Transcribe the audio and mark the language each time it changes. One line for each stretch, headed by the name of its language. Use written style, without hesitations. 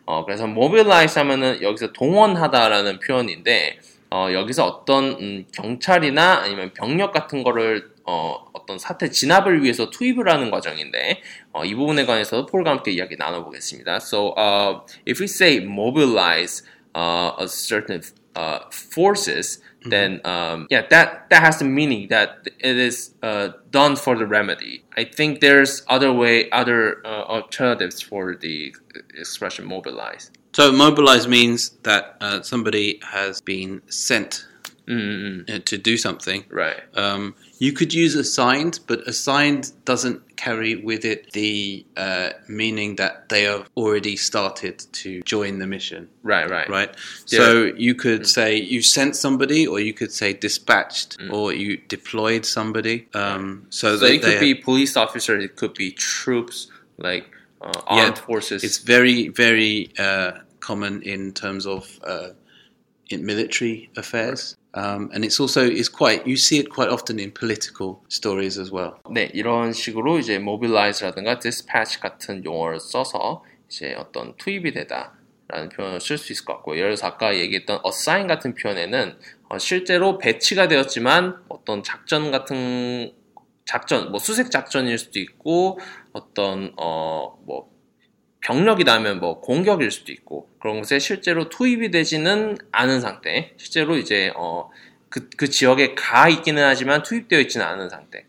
Korean: 그래서 mobilize 하면은 여기서 동원하다라는 표현인데 여기서 어떤 경찰이나 아니면 병력 같은 거를 어떤 사태 진압을 위해서 투입을 하는 과정인데 이 부분에 관해서도 폴과 함께 이야기 나눠보겠습니다.
English: So if we say mobilize a certain forces, then that has the meaning that it is done for the remedy. I think there's other alternatives for the expression mobilize. So mobilize means that somebody has been sent to do something. Right. You could use assigned, but assigned doesn't carry with it the meaning that they have already started to join the mission. Right. Yeah. So you could say you sent somebody, or you could say dispatched, or you deployed somebody. So it could be police officers, it could be troops, like armed forces. It's very, very common in terms of in military affairs. Right. And it's also you see it quite often in political stories as well.
Korean: 네, 이런 식으로 이제 mobilize라든가 dispatch 같은 용어를 써서 이제 어떤 투입이 되다라는 표현을 쓸 수 있을 것 같고, 예를 들어서 아까 얘기했던 assign 같은 표현에는 실제로 배치가 되었지만 어떤 작전, 뭐 수색 작전일 수도 있고 어떤 뭐 병력이라면 뭐 공격일 수도 있고 그런 곳에 실제로 투입이 되지는 않은 상태, 실제로 이제 그 지역에 가 있기는 하지만 투입되어 있지는 않은 상태.